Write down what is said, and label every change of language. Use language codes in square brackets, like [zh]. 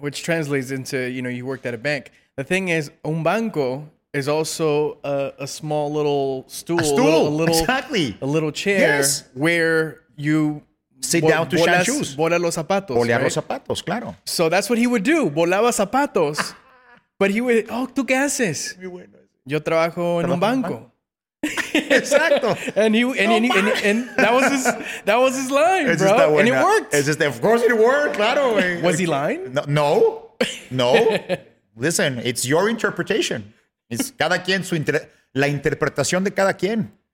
[en] Which translates into, you know, you worked at a bank. The thing is, [es] un banco [en] is also a small little stool. A stool, exactly. A little chair where you sit down to shine shoes. [es] Bola los zapatos. Bolear los zapatos, claro. [en] So that's what he would do. [es] Bolaba zapatos. [en] But he would, [es] ¿tú qué haces? Yo trabajo en un banco. Exacto. [en] And that was his line, bro. And it worked. It's just, of course it worked, claro. Was he lying? No. Listen, it's your interpretation. [es] Es cada quien la interpretación de cada quien.